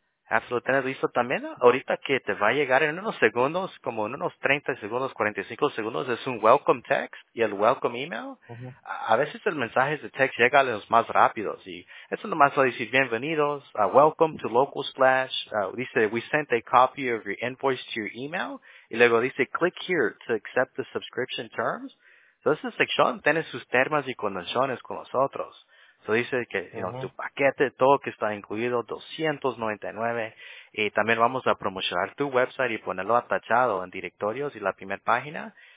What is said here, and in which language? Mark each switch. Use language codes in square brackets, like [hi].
[es] Absolutely. ¿Tienes listo también? Ahorita que te va a llegar en unos segundos, como en unos 30 segundos, 45 segundos, es un welcome text y el welcome email. A veces el mensaje de text llega a los más rápidos y eso nomás va a decir bienvenidos, [en] welcome to Local Splash. [es] Dice, [en] we sent a copy of your invoice to your email. [es] Y luego dice, [en] click here to accept the subscription terms. [es] Entonces, esa sección tiene sus termos y condiciones con nosotros. So dice que tu paquete, todo que está incluido, $299. Y también vamos a promocionar tu website y ponerlo atachado en directorios y la primera página.